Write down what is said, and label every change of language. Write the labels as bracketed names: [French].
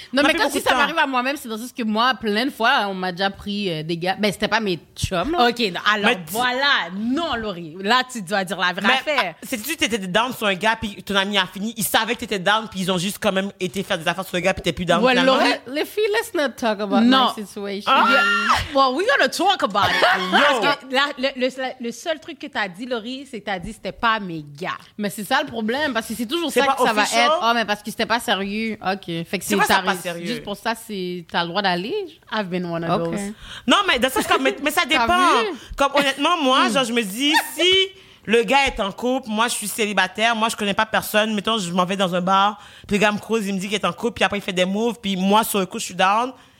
[French] Non, mais quand si ça m'arrive à moi-même, c'est dans ce que moi, plein de fois, on m'a déjà pris des gars. Mais c'était pas mes chums. OK, alors voilà. Non, Laurie, là, tu dois dire la vraie affaire. C'est-tu que t'étais down sur un gars, puis ton ami a fini, ils savaient que t'étais down, puis ils ont juste quand même été faire des affaires sur un gars, puis t'es plus down? [English] Well, Laurie, [French] les filles, [English] let's not talk about my situation. Well, we're gonna talk about it. [French] Parce que le seul truc que t'as dit, Laurie, c'est que t'as dit c'était pas mes gars. Mais c'est ça le problème, parce que c'est toujours c'est ça que official? Ça va être. Oh, mais parce que c'était pas sérieux. OK. Fait que c'est ça pas sérieux. Juste pour ça, c'est, t'as le droit d'aller. [English] I've been one of those. [French] Non, mais dans ce cas, mais ça dépend. Comme honnêtement, moi, genre, je me dis, si le gars est en couple, moi, je suis célibataire, moi, je connais pas personne, mettons, je m'en vais dans un bar, puis le gars me croise, il me dit qu'il est en couple, puis après, il fait des moves, puis moi, sur le coup, je suis down.